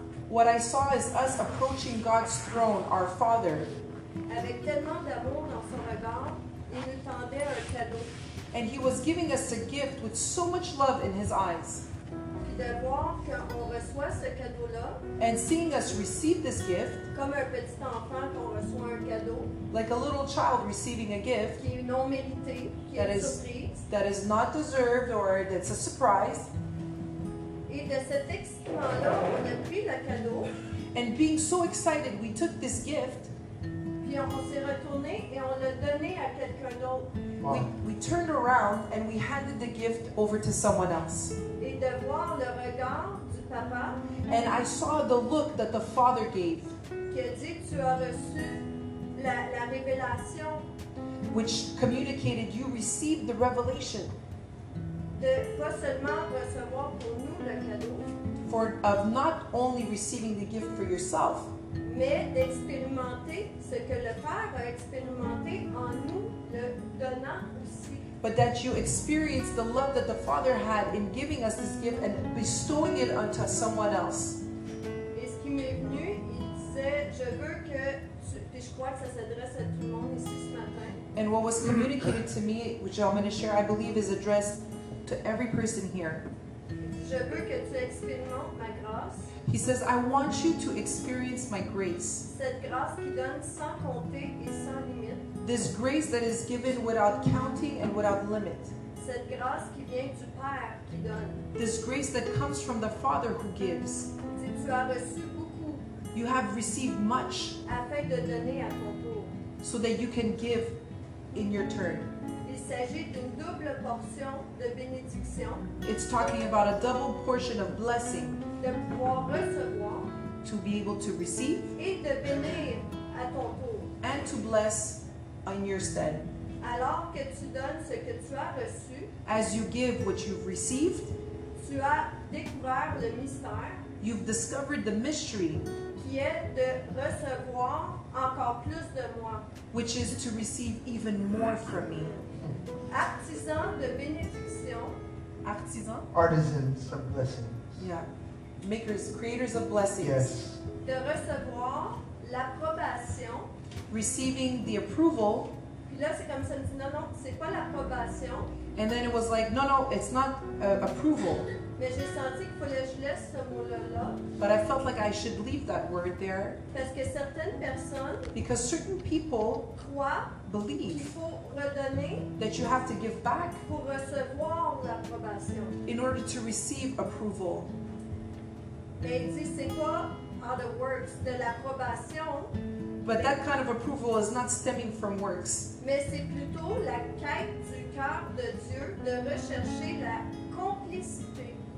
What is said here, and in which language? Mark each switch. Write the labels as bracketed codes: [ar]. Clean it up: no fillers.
[en] What I saw is us approaching God's throne, our Father. [fr] Avec tellement d'amour dans son regard, il nous tendait un cadeau. [en] And He was giving us a gift with so much love in His eyes. [fr] Puis de voir qu'on reçoit ce cadeau-là, [en] and seeing us receive this gift, [fr] comme un petit enfant qu'on reçoit un cadeau, [en] like a little child receiving a gift, [fr] qui est non mérité, qui est une surprise, [en] that is not deserved or that's a surprise. [fr] Et de cet excitement-là, on a pris le cadeau. [en] And being so excited, we took this gift. [fr] Puis on s'est retourné et on l'a donné à quelqu'un d'autre. [en] Wow. We turned around and we handed the gift over to someone else. [fr] Et de voir le regard du papa. [en] And I saw the look that the father gave. [fr] Qui a dit, tu as reçu la révélation. [en] Which communicated, you received the revelation. [fr] De pas seulement recevoir pour nous le cadeau, [en] for of not only receiving the gift for yourself, [fr] mais d'expérimenter ce que le Père a expérimenté en nous le donnant aussi. [en] But that you experience the love that the Father had in giving us this gift and bestowing it unto someone else. [fr] Et ce qui m'est venu, il disait, je veux que tu, puis je crois que ça s'adresse à tout le monde ici ce matin. [en] And what was communicated to me, which I'm going to share, I believe is addressed to every person here. [fr] Je veux que tu expérimentes ma grâce. [en] He says, I want you to experience my grace. [fr] Cette grâce qui donne sans compter et sans limite. [en] This grace that is given without counting and without limit. [fr] Cette grâce qui vient du Père qui donne. [en] This grace that comes from the Father who gives. [fr] Tu as reçu beaucoup. [en] You have received much. [fr] Afin de donner à ton tour. [en] So that you can give in your turn. [fr] Il s'agit d'une double portion de bénédiction. [en] It's talking about a double portion of blessing. [fr] De pouvoir recevoir. [en] To be able to receive. [fr] Et de bénir à ton tour. [en] And to bless on your stead. [fr] Alors que tu donnes ce que tu as reçu. [en] As you give what you've received. [fr] Tu as découvert le mystère. [en] You've discovered the mystery. [fr] Qui est de recevoir encore plus de moi. [en] Which is to receive even more from me. [fr] Artisan de bénédiction. [en] Artisan? Artisans of blessings. Yeah. Makers, creators of blessings. Yes. [fr] De recevoir l'approbation. [en] Receiving the approval. [fr] Puis là, c'est comme ça, me dit, non, c'est pas l'approbation. [en] And then it was like, no, it's not approval. [fr] Mais j'ai senti qu'il fallait que je laisse ce mot-là. [en] But I felt like I should leave that word there. [fr] Parce que certaines personnes, [en] because certain people [fr] croient, [en] believe [fr] qu'il faut redonner, [en] that you have to give back [fr] pour recevoir l'approbation, [en] in order to receive approval. [fr] Mais il dit, c'est quoi, [en] other words, [fr] de l'approbation? [en] But that kind of approval is not stemming from works. [fr] Mais c'est plutôt la quête du cœur de Dieu de rechercher la complicité.